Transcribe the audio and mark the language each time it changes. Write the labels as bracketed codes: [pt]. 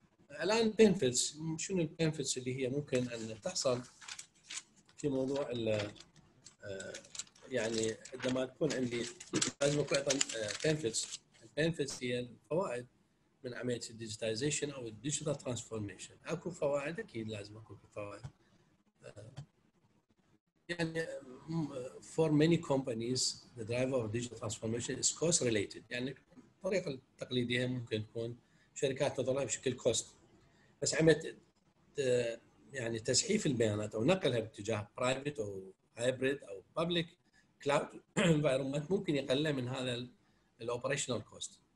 [ar] الآن البينفيتس، شنو البينفيتس اللي هي ممكن أن تحصل في موضوع ال يعني عندما تكون عندي لازم يكون أيضا بينفيتس. البينفيتس هي الفوائد من عملية الديجيتاليزيشن أو الديجيتال ترانسفورميشن. أكو فوائد أكيد لازم أكو فوائد، يعني [en] for many companies the driver of digital transformation is cost related. [ar] يعني الطريقة التقليدية ممكن تكون شركات تظلها بشكل cost، بس عملت يعني تسحيف البيانات أو نقلها باتجاه private أو hybrid أو [en] public cloud environment [ar] ممكن يقلل من هذا ال [en] operational cost.